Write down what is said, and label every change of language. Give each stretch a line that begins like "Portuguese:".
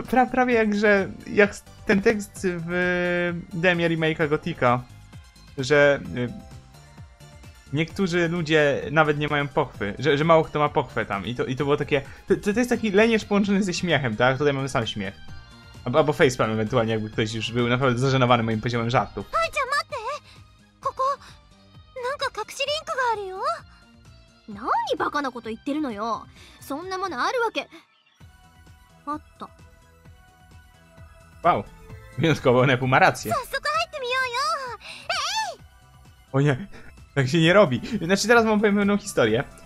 Polish: Prawie jak ten tekst w demie remake'a Gothica, że niektórzy ludzie nawet nie mają pochwy, że mało kto ma pochwę tam i to było takie, to jest taki leniesz połączony ze śmiechem, tak? Tutaj mamy sam śmiech. Albo facepalm ewentualnie, jakby ktoś już był naprawdę zażenowany moim poziomem żartu. Ojcze, mate!
Japanese: 隠しリンクがあるよ。何バカなこと言ってるのよ。そんなものあるわけ。あった
Polish: 。わお、wnioskowo one ma rację. O nie, tak się nie robi. Znaczy teraz mam powiem pewną historię.